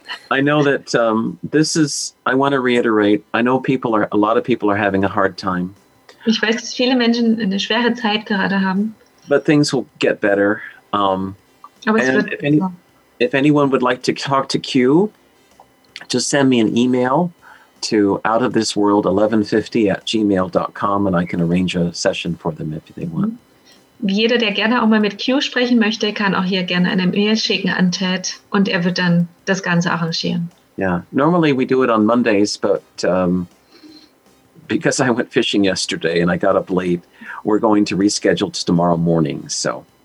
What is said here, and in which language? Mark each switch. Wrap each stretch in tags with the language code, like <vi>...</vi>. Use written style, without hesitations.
<en>I know that this is, I want to reiterate, I know people are, a lot of people are having a hard time.</en> <de>Ich weiß, dass viele Menschen eine schwere Zeit gerade haben.</de> <en>But things will get better.</en> <de>Aber es wird</de> <en>if anyone would like to talk to Q, just send me an email to outofthisworld1150@gmail.com and I can arrange a session for them if they want.</en> <de>Jeder, der gerne auch mal mit Q sprechen möchte, kann auch hier gerne eine Mail schicken an Ted und er wird dann das Ganze arrangieren.</de> <en>Yeah, normally we do it on Mondays, but because I went fishing yesterday and I got up late, we're going to reschedule to tomorrow morning, so.</en>